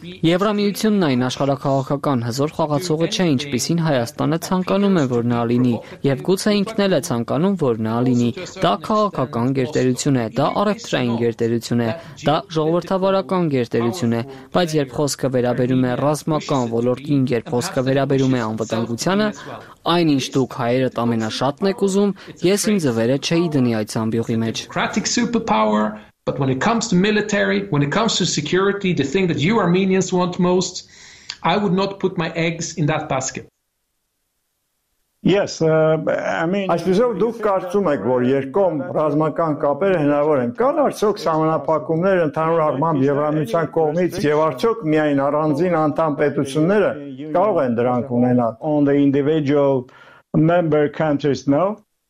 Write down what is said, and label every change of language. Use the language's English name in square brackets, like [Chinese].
[Armenian] Եվրամիությունն այն աշխարհակահաղաղական հզոր խաղացողը չէ, ինչպիսին Հայաստանը ցանկանում է, որ նա լինի, եւ գուցե ինքն էլ է ցանկանում, որ նա լինի։ Դա քաղաքական գերտերություն է, դա առևտրային գերտերություն է, դա ժողովրդավարական գերտերություն է, բայց երբ խոսքը վերաբերում է ռազմական ոլորտին, երբ խոսքը վերաբերում է անվտանգությանը, այնինչ դուք հայերը ամենա շատն եք ուզում, ես իմ ձվերը չէի դնի այդ ամբյուղի մեջ։ [English] But when it comes to military, when it comes to security, the thing that you Armenians want most, I would not put my eggs in that basket. Yes, [Armenian] Այսպեսով դուք կարծում եք, որ երկկողմ ռազմական կապերը հնարավոր են։ Կան արդյոք սահմանափակումներ ընդհանուր առմամբ Եվրամիության կողմից, եւ արդյոք միայն առանձին անդամ պետությունները կարող են դրանք ունենալ? [English] On the individual member countries, no?